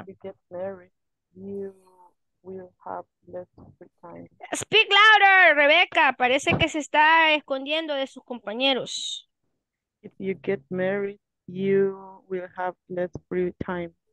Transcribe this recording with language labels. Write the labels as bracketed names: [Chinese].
[English] If you get married, you will have less free time. Speak louder, Rebecca. [Spanish] Parece que se está escondiendo de sus compañeros. [English] If you get married, you will have less free time.